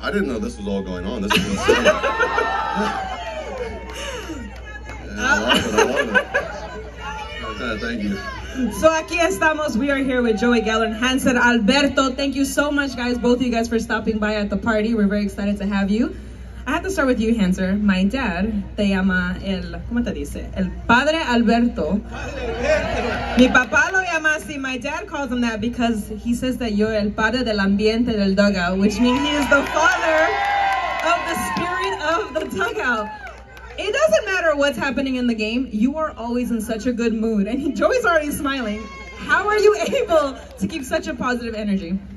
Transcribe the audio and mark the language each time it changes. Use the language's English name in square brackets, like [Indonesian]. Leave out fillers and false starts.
[English] I didn't know this was all going on. This is what's thank you. So [Spanish] aquí estamos. [English] We are here with Joey Gallo and Hanser Alberto. Thank you so much, guys, both of you guys, for stopping by at the party. We're very excited to have you. I have to start with you, Hanser. My dad, [Spanish] te llama el, ¿cómo te dice? El padre Alberto. Mi papá lo llama así. [English] My dad calls him that because he says that you're [Spanish] el padre del ambiente del dugout, [English] which means he is the father of the spirit of the dugout. It doesn't matter what's happening in the game, you are always in such a good mood. And Joey's already smiling. How are you able to keep such a positive energy?